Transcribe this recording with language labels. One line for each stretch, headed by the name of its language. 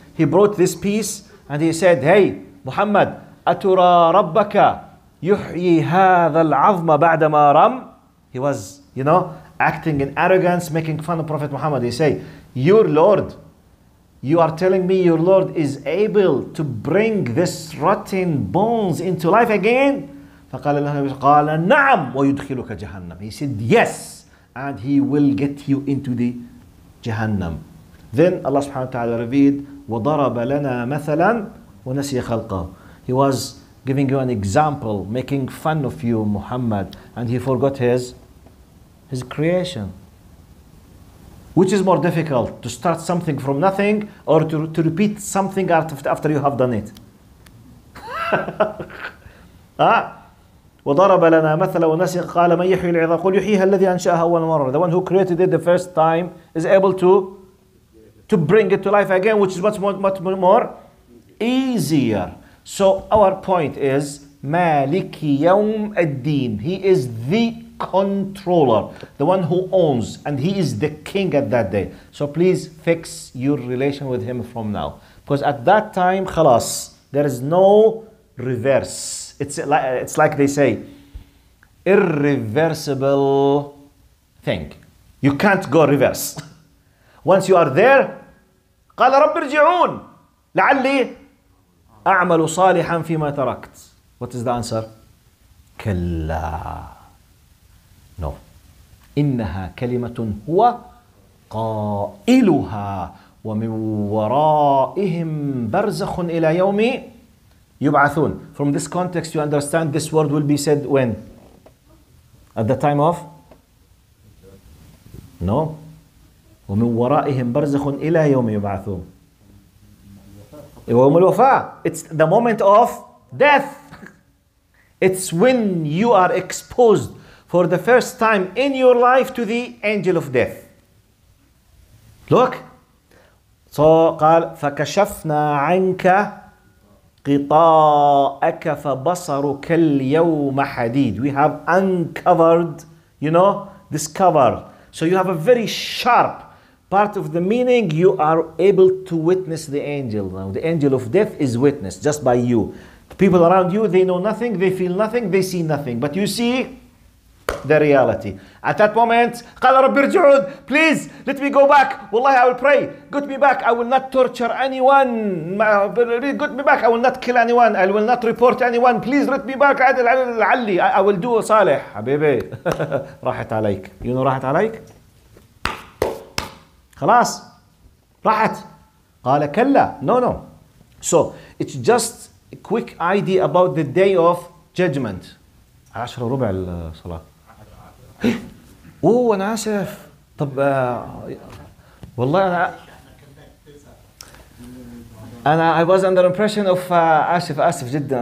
English: He brought this piece and he said, hey, Muhammad,
Arabic: أترى ربك يحيي هذا العظم بعدما رم.
English: He was, you know, acting in arrogance, making fun of Prophet Muhammad. He say, your Lord, you are telling me your Lord is able to bring this rotten bones into life again.
Arabic: فقال له قال نعم ويدخلك جهنم.
English: He said yes, and he will get you into the جهنم. Then Allah subhanahu wa ta'ala revealed,
Arabic: وضرب لنا مثلا ونسي خلقه.
English: He was giving you an example, making fun of you, Muhammad, and he forgot his creation. Which is more difficult, to start something from nothing or to repeat something after you have done it? Ah.
Arabic: وَضَرَبَ لَنَا مَثَلًا وَنَسِيَ قَالَ مَنْ يَحْيِي الْعِظَامَ قُلْ يُحْيِيهَا الَّذِي أَنْشَأَهَا أَوَّلَ مَرَّةٍ.
English: The one who created it the first time is able to to bring it to life again, which is much more easier. So our point is Maliki Yawm Ad-Din. He is the controller, the one who owns, and he is the king at that day. So please fix your relation with him from now. Because at that time, khalas, there is no reverse. It's like they say, irreversible thing. You can't go reverse. Once you are there,
Arabic: قال رب ارجعون لعلي أعمل صالحا فيما تركت.
English: What is the answer?
Arabic: كلا.
English: No.
Arabic: إنها كلمة هو قائلها ومن ورائهم برزخ إلى يوم يبعثون.
English: From this context, you understand this word will be said when? At the time of? No.
Arabic: ومن ورائهم برزخ إلى يوم يبعثون. يوم الوفاة.
English: It's the moment of death. It's when you are exposed for the first time in your life to the angel of death. Look.
Arabic: So, قال فكشفنا عنك قطاءك فبصرك اليوم حديد.
English: We have uncovered, you know, this cover. So you have a very sharp part of the meaning, you are able to witness the angel. Now, the angel of death is witnessed just by you. The people around you, they know nothing, they feel nothing, they see nothing. But you see the reality. At that moment,
Arabic: قَالَ رَبِّ ارْجُعُونَ.
English: Please, let me go back. Wallahi, I will pray. Get me back. I will not torture anyone. Get me back. I will not kill anyone. I will not report anyone. Please, let me back. I will do a salih.
Arabic: Habibi, راحت عليك.
English: You know
Arabic: راحت عليك؟ خلاص راحت. قال كلا.
English: No. So it's just a quick idea about the day of judgment.
Arabic: 10 ربع الصلاة. أوه أنا آسف. طب والله أنا
English: I was under impression of
Arabic: آسف جدا.